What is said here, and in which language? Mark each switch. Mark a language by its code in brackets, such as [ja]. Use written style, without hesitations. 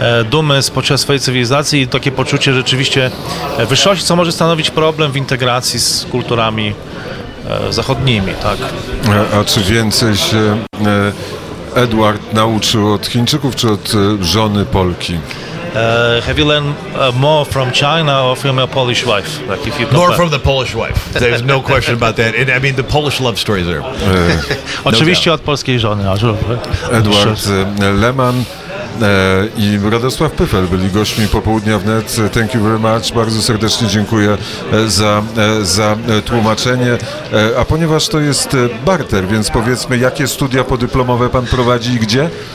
[pl] Dumy z poczucia swojej cywilizacji i takie poczucie rzeczywiście wyższości, co może stanowić problem w integracji z kulturami zachodnimi. Tak. A czy więcej się Edward nauczył od Chińczyków czy od żony Polki? [en] Have you learned more from China or from your Polish wife? Like if you more back. From the Polish wife. There's no question about that. And I mean, the Polish love story there. [pl] Oczywiście od polskiej żony. Edward Lehmann i Radosław Pyfel byli gośćmi Popołudnia Wnet. [en] Thank you very much. [pl] Bardzo serdecznie dziękuję za tłumaczenie. A ponieważ to jest barter, więc powiedzmy, jakie studia podyplomowe pan prowadzi i gdzie?